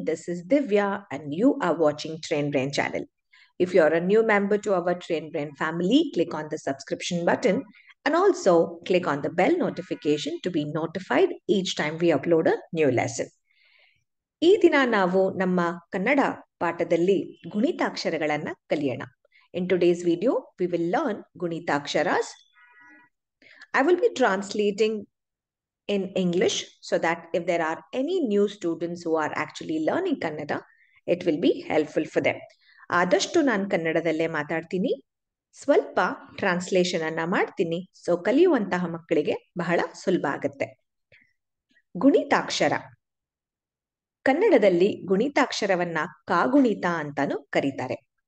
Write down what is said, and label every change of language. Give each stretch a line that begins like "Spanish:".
English: This is Divya and you are watching Train Brain channel. If you are a new member to our Train Brain family, click on the subscription button and also click on the bell notification to be notified each time we upload a new lesson.
Kannada: ಈ ದಿನ ನಾವು ನಮ್ಮ ಕನ್ನಡ ಪಾಠದಲ್ಲಿ ಗುಣಿತಾಕ್ಷರಗಳನ್ನು ಕಲಿಯೋಣ.
English: In today's video we will learn ಗುಣಿತಾಕ್ಷರಸ್. I will be translating in English so that if there are any new students who are actually learning Kannada, it will be helpful for them.
Kannada: ಆದಷ್ಟು ನಾನು ಕನ್ನಡದಲ್ಲೇ ಮಾತಾಡ್ತೀನಿ, ಸ್ವಲ್ಪ translation ಅನ್ನ ಮಾಡ್ತೀನಿ. So ಕಲಿಯುವಂತಹ ಮಕ್ಕಳಿಗೆ ಬಹಳ ಸುಲಭ ಆಗುತ್ತೆ. ಗುಣಿತಾಕ್ಷರ, ಕನ್ನಡದಲ್ಲಿ ಗುಣಿತಾಕ್ಷರವನ್ನ ಕಾಗುಣಿತ ಅಂತಾನು ಕರೀತಾರೆ.